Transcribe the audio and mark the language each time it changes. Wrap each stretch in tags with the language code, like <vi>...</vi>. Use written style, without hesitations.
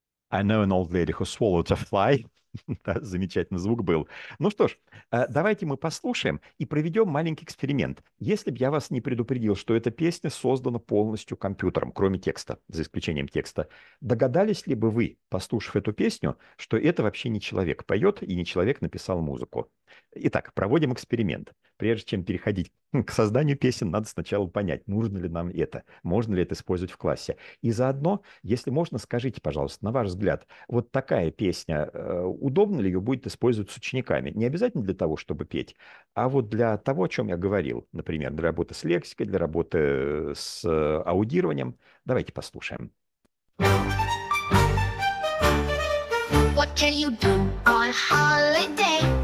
<en>I know an old lady who swallowed a fly.</en> <ru>Да, замечательный звук был. Ну что ж, давайте мы послушаем и проведем маленький эксперимент. Если бы я вас не предупредил, что эта песня создана полностью компьютером, кроме текста, за исключением текста, догадались ли бы вы, послушав эту песню, что это вообще не человек поет и не человек написал музыку? Итак, проводим эксперимент. Прежде чем переходить к созданию песен, надо сначала понять, нужно ли нам это, можно ли это использовать в классе. И заодно, если можно, скажите, пожалуйста, на ваш взгляд, вот такая песня, удобно ли ее будет использовать с учениками? Не обязательно для того, чтобы петь, а вот для того, о чем я говорил, например, для работы с лексикой, для работы с аудированием. Давайте послушаем.</ru> <en>What can you do on holiday?</en>